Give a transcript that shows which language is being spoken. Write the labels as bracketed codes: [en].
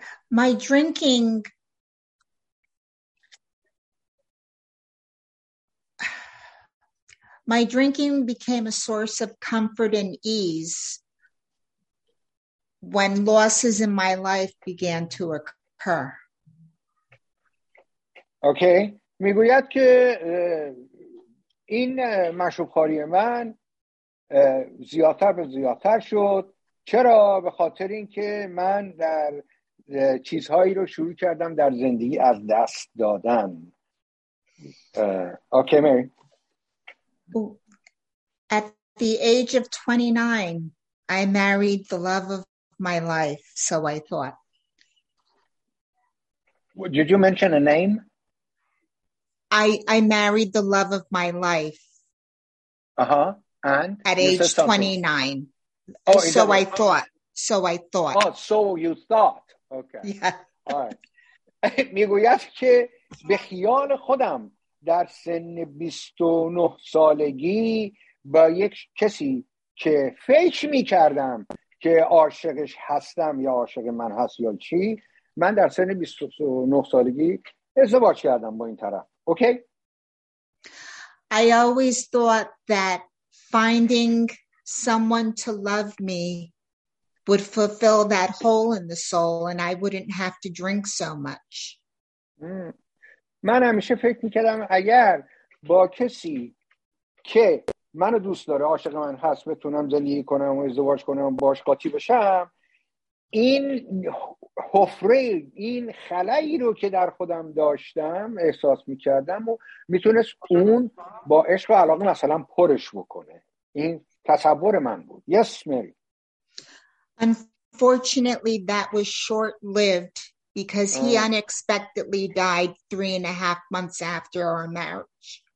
[en] My drinking became a source of comfort and ease when losses in my life began to occur. Okay. [fa] میگوید که این مشروبخواری من زیادتر به زیادتر شد. چرا؟ به خاطر اینکه من در چیزهایی رو شروع کردم در زندگی از دست دادن. [en] Okay, Mary. At the age of 29, I married the love of my life, so I thought. Did you mention a name? I married the love of my life. Uh-huh. And? At age 29. Oh, so I thought. So I thought. Oh, so you thought. Okay. Yeah. All right. [fa] میگوید که به خیال خودم در سن 29 سالگی با یک کسی که فکر میکردم که عاشقش هستم یا عاشق من هست یا چی، من در سن 29 سالگی ازدواج کردم با این طرف. [en] Okay. I always thought that finding someone to love me would fulfill that hole in the soul and I wouldn't have to drink so much. [fa] من همیشه فکر میکردم اگر با کسی که منو دوست داره، عاشق من هست، بتونم زندگی کنم و ازدواج کنم و باش قاطی بشم، این حفره، این خلایی رو که در خودم داشتم احساس میکردم و میتونست اون با عشق و علاقه مثلا پرش بکنه. این تصور من بود. [en] Yes, Mary. Unfortunately, that was short-lived. Because he unexpectedly died 3.5 months after our marriage.